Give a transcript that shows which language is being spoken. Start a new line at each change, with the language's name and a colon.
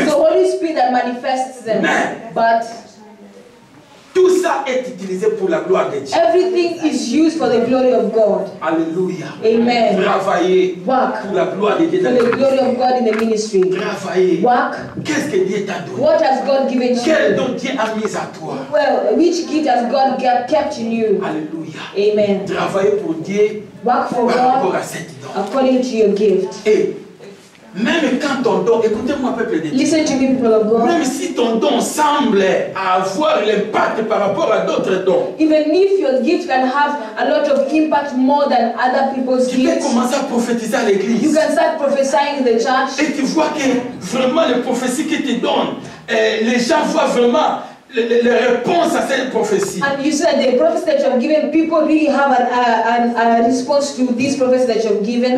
English: It is the Holy Spirit that manifests them. But
French: tout ça est utilisé pour la gloire de Dieu.
English: Everything is used for the glory of God.
French: Alléluia. Amen. Travailler.
English: Work.
French: Pour la gloire de Dieu.
English: For the glory of God in the ministry.
French: Travailler.
English: Work.
French: Qu'est-ce que Dieu t'a donné?
English: What has God given you?
French: Quel don Dieu a mis à toi?
English: Well, which gift has God kept in you?
French: Alléluia. Amen. Travailler pour Dieu.
English: Work for God.
French: Par rapport à cet don.
English: According to your gift.
French: Même quand ton don, écoutez-moi peuple de Dieu.
English: Listen to me, people of God.
French: Même si ton don semble avoir l'impact par rapport à d'autres dons.
English: Even if your gift can have a lot of impact more than other people's gifts.
French: Tu peux commencer à prophétiser à l'église.
English: You can start prophesying in the church.
French: Et tu vois que vraiment les prophéties que tu donnes, les gens voient vraiment les réponses à ces prophéties.
English: And you said the prophecy that you've given, people really have a response to this prophecy that you've given.